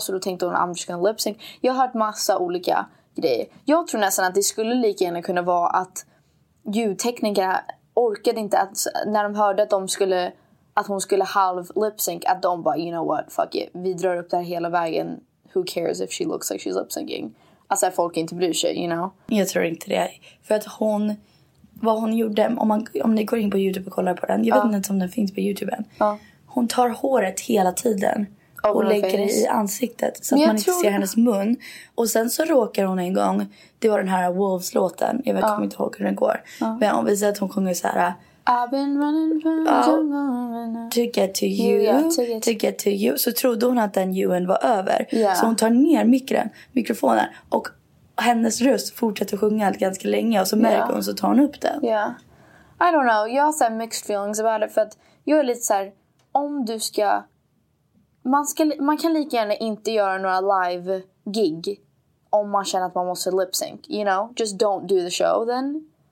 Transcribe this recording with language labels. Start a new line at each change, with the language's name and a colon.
Swedish: Så då tänkte hon, I'm just gonna lip-sync. Jag har hört massa olika grejer. Jag tror nästan att det skulle lika gärna kunna vara att ljudteknikerna orkade inte att, när de hörde att de skulle, att hon skulle halv lip-sync, att de bara, you know what, fuck it. Vi drar upp det här hela vägen.
English: Who cares if she looks like she's lip-syncing?
Swedish: Alltså att folk inte bryr sig, you know? Jag tror inte det. För att hon, vad hon gjorde, om ni går in på YouTube och kollar på den. Jag vet inte om den finns på YouTube än. Hon tar håret hela tiden. Och lägger det i ansiktet. Så att man inte ser hennes mun. Och sen så råkar hon en gång, det var den här Wolves-låten. Jag vet inte ihåg hur den går. Men om vi säger att hon sjunger så här,
English: I've been running from to get to you, to get to you.
Swedish: Så trodde hon att den juen var över.
English: Yeah.
Swedish: Så hon tar ner mikrofonen. Och hennes röst fortsätter sjunga ganska länge. Och så märker hon, så tar hon upp den.
English: Yeah. I don't know.
Swedish: Jag har så här mixed feelings about it. För att jag är lite så här, om du ska, man kan lika gärna inte göra några live gig. Om man känner att man måste lip sync. You know, just don't do the show then.